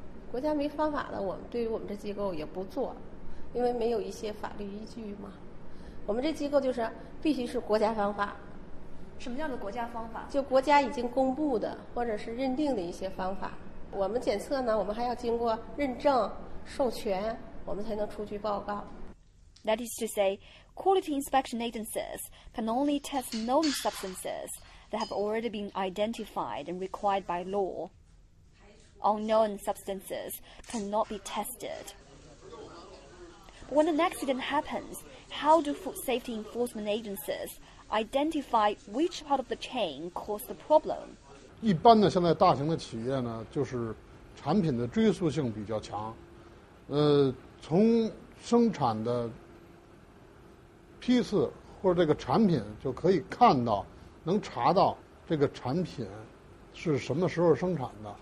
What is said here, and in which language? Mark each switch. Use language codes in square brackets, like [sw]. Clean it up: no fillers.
[zh] 国家没方法的，我们对于我们这机构也不做，因为没有一些法律依据嘛。我们这机构就是必须是国家方法。什么叫做国家方法？就国家已经公布的或者是认定的一些方法。我们检测呢，我们还要经过认证授权，我们才能出具报告。 [en] That is to say, quality inspection agencies can only test known substances that have already been identified and required by law. Unknown substances cannot be tested. When an accident happens,How do food safety enforcement agencies identify which part of the chain caused the problem? [zh] 一般的现在大型的企业呢，就是产品的追溯性比较强，从生产的批次或者这个产品就可以看到，能查到这个产品是什么时候生产的。